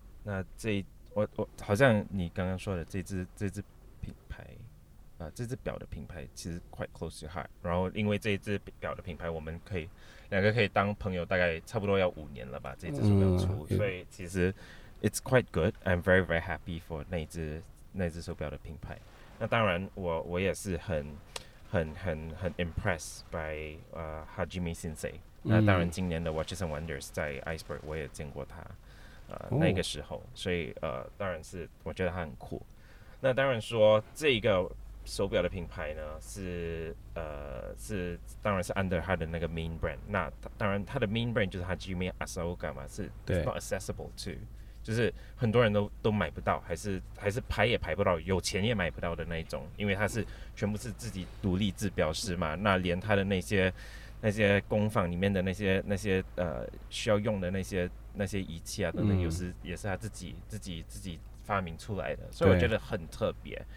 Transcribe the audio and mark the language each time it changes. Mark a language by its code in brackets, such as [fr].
[zh] 那这我好像你刚刚说的这只品牌，这只表的品牌其实 [en] quite close to heart。 [zh] 然后因为这只表的品牌，我们可以两个可以当朋友，大概差不多要五年了吧。这只手表出，所以其实 [en] it's quite good。 I'm very very happy for [zh] 那只手表的品牌。那当然我也是很 [en] impressed by [zh] Hajime Sensei。那当然今年的 Watches and Wonders 在 Iceberg 我也见过他那个时候。所以当然是我觉得他很酷。那当然说这个手表的品牌呢是当然是 under 他的那个 main brand。那当然他的 [en] main brand [zh] 就是 Hajime Asaoka 嘛，是 [en] not accessible to。 [zh] 就是很多人都买不到，还是拍也拍不到，有钱也买不到的那种，因为他是全部是自己独立制表师嘛。那连他的那些工坊里面的那些需要用的那些仪器啊等等，有时也是他自己发明出来的，所以我觉得很特别。